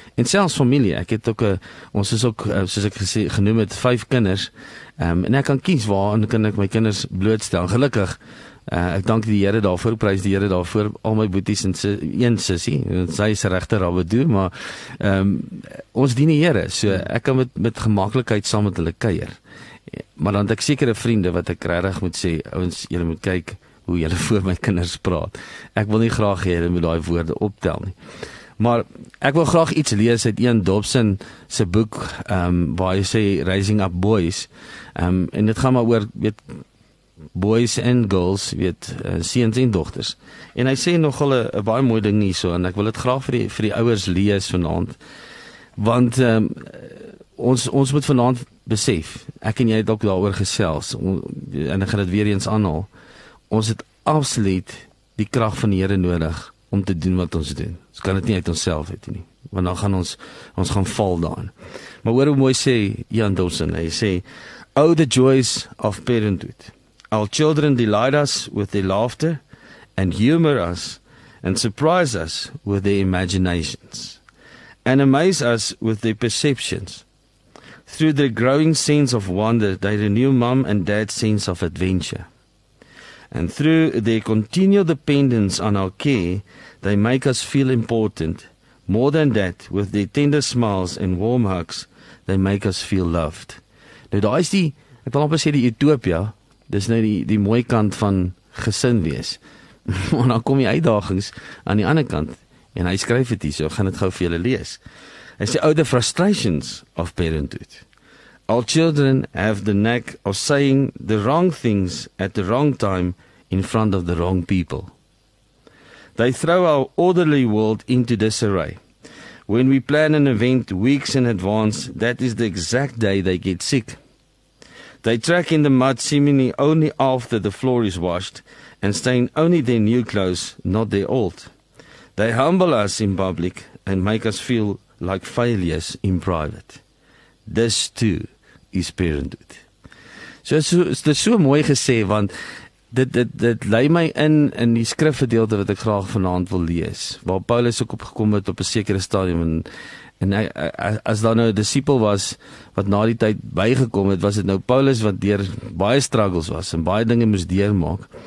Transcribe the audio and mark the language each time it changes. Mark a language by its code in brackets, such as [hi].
[af] En selfs familie, ek het ook ons is ook soos ek gesê genoem het 5 kinders. En ek kan kies waar kan ek my kinders blootstel. Gelukkig Ek dank die Here daarvoor, prys die Here daarvoor, al my boeties en sy, een sissie, sy is regter al bedoel, maar ons dien die Here, so ek kan met gemaklikheid saam met hulle kuier. Maar dan het ek sekere vriende wat ek regtig moet sê, ouens, julle moet kyk hoe julle voor my kinders praat. Ek wil nie graag hê julle moet daai woorde optel nie. Maar ek wil graag iets lees uit Ian Dobson se boek, waar hy sê Raising Up Boys, en dit gaan maar oor, weet, [en] boys and girls, [af] weet, seuns en dogters. En hy sê nogal 'n baie mooi ding hierso, en ek wil dit graag vir die ouers lees vanaand, want ons moet vanaand besef, ek en jy het ook daar oor gesels, en ek gaan dit weer eens aanhaal, ons het absoluut die krag van die Here nodig om te doen wat ons doen. Ons kan dit nie uit onsself uit nie, want dan gaan ons gaan val daarin. Maar hoor hoe mooi sê Ian Dobson, hy sê, [en] Oh, the joys of parenthood. Our children delight us with their laughter and humor us and surprise us with their imaginations and amaze us with their perceptions. Through their growing sense of wonder, they renew mom and dad's sense of adventure. And through their continual dependence on our care, they make us feel important. More than that, with their tender smiles and warm hugs, they make us feel loved. [af] Nou, daar is die, ek wil amper sê die utopia, dis nou die mooie kant van gesin wees. Maar dan kom die uitdagings aan die ander kant, en hy skryf het hier, so gaan het gauw vir julle lees. Hy sê, [en] oh, the frustrations of parenthood. Our children have the knack of saying the wrong things at the wrong time in front of the wrong people. They throw our orderly world into disarray. When we plan an event weeks in advance, that is the exact day they get sick. They track in the mud seemingly only after the floor is washed and stain only their new clothes, not their old. They humble us in public and make us feel like failures in private. This too is parenthood. [af] So dit is so mooi gesê, want dit lei my in die skrifgedeelte wat ek graag vanaand wil lees, waar Paulus ook opgekom het op 'n sekere stadium, en hy, as daar nou 'n disipel was, wat na die tyd bygekom het, was dit nou Paulus wat deur baie struggles was, en baie dinge moes deurmaak,